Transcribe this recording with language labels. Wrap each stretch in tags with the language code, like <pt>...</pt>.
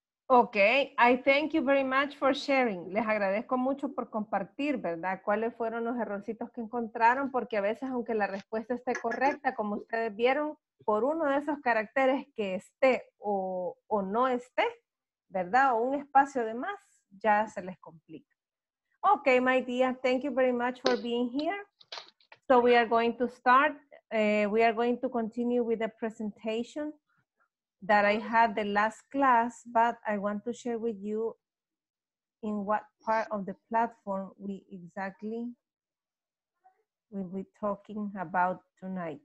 <en>Okay, I thank you very much for sharing.</en> <es>Les agradezco mucho por compartir, ¿verdad? ¿Cuáles fueron los errorcitos que encontraron? Porque a veces, aunque la respuesta esté correcta, como ustedes vieron, por uno de esos caracteres que esté o no esté, ¿verdad? O un espacio de más, ya se les complica.</es> <en>Okay, my dear, thank you very much for being here. So we are going to start. We are going to continue with the presentation that I had the last class, but I want to share with you in what part of the platform we exactly will be talking about tonight.</en>